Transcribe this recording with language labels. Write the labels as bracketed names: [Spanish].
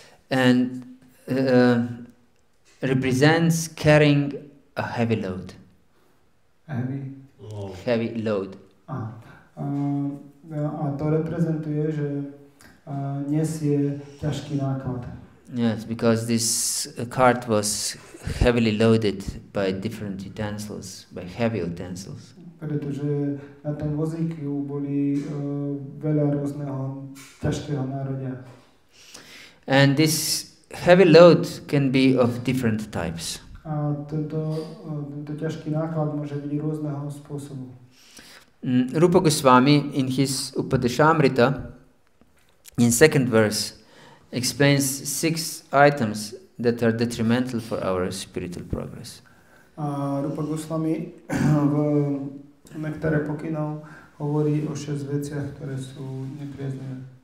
[English] And represents carrying a heavy load. Heavy load. [Slovak] A to reprezentuje, že nesie ťažký náklad. [English] Yes, because this cart was heavily loaded by different utensils, by heavy utensils. [Slovak] Pretože na tom vozíku boli veľa rôzneho ťažkého nároďa. [English] And this heavy load can be of different types. [Slovak] A tento ťažký náklad môže byť rôzneho spôsobu. [English] Rupa Goswami in his Upadeshamrita, in second verse, explains six items that are detrimental for our spiritual progress. [Slovak] Rupa Goswami v nektare pokynov hovorí o šesť veciach, ktoré sú nepriaznivé.